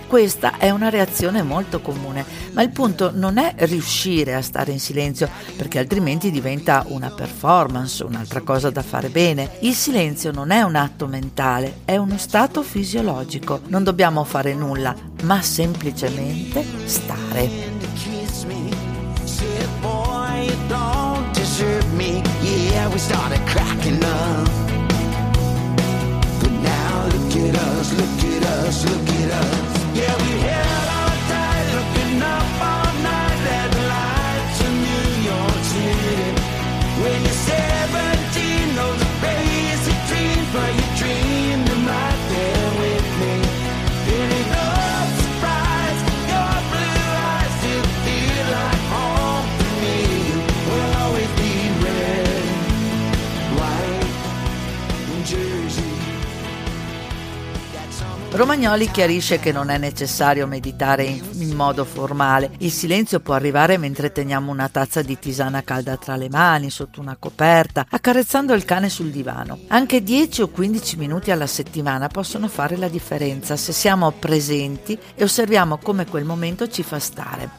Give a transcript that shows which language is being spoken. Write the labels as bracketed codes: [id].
[it] Questa è una reazione molto comune, ma il punto non è riuscire a stare in silenzio, perché altrimenti diventa una performance, un'altra cosa da fare bene. Il silenzio non è un atto mentale, è uno stato fisiologico. Non dobbiamo fare nulla, ma semplicemente stare. [en] We started cracking up, but now look at us, look at us, look at us. Yeah, we held on tight, looking up all night at lights in New York City. When you're 17, those are crazy dreams, but you dreamed you might be with me. It ain't no surprise, your blue eyes still feel like home to me. We'll always be red, white, in Jersey. [it] Romagnoli chiarisce che non è necessario meditare in modo formale. Il silenzio può arrivare mentre teniamo una tazza di tisana calda tra le mani, sotto una coperta, accarezzando il cane sul divano. Anche 10 o 15 minuti alla settimana possono fare la differenza se siamo presenti e osserviamo come quel momento ci fa stare.